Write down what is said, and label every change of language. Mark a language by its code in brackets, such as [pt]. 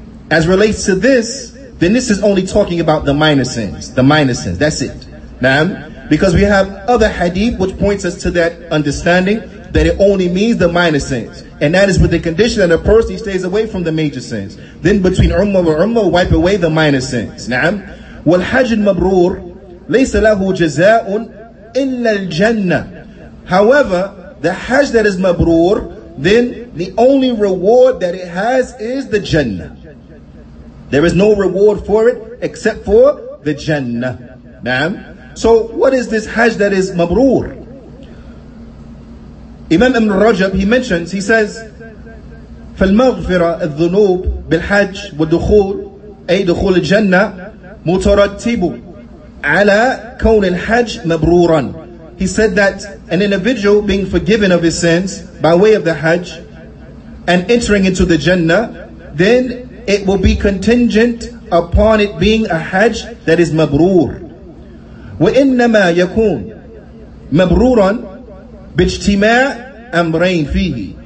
[en] As relates to this, then this is only talking about the minor sins. The minor sins, that's it. Naam? Because we have other hadith which points us to that understanding that it only means the minor sins. And that is with the condition that a person stays away from the major sins. Then between Ummah and Ummah, wipe away the minor sins. Naam? [ar] والحج المبرور ليس له جزاء إلا الجنة. [en] However, the Hajj that is mabrur, then the only reward that it has is the Jannah. There is no reward for it except for the Jannah. Naam. So what is this Hajj that is mabrur? Imam Ibn Rajab, he mentions, he says, [ar] فَالْمَغْفِرَ الذُّنُوبِ بِالْحَجِّ وَالدُّخُولِ أي دخول الجنة مترتب على كون الحج مبرورا. [en] He said that an individual being forgiven of his sins by way of the Hajj and entering into the Jannah, then it will be contingent upon it being a Hajj that is مبرور. [ar] وإنما يكون مبرورا باجتماع أمرين فيه.